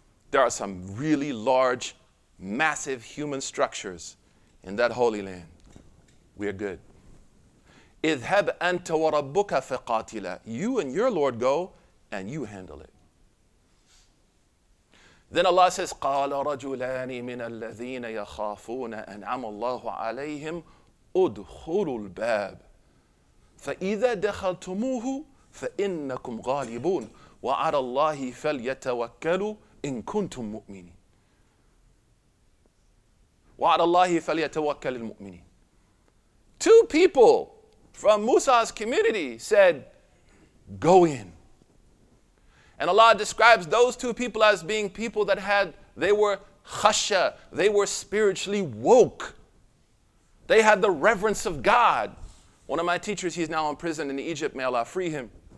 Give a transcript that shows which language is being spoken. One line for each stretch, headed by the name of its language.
English: There are some really large, massive human structures in that Holy Land. We are good.
Arabic: اذهب أنت وربك فقاتلا.
English: You and your Lord go and you handle it. Then Allah says,
Arabic: قال رجلان من الذين يخافون أنعم الله عليهم ادخلوا الباب فإذا دخلتموه فإنكم غالبون وعلى الله فليتوكلوا إن كنتم مؤمنين وعلى الله فليتوكل المؤمنين.
English: Two people from Musa's community said, go in. And Allah describes those two people as being people that had, they were khasha, they were spiritually woke. They had the reverence of God. One of my teachers, he's now in prison in Egypt, may Allah free him.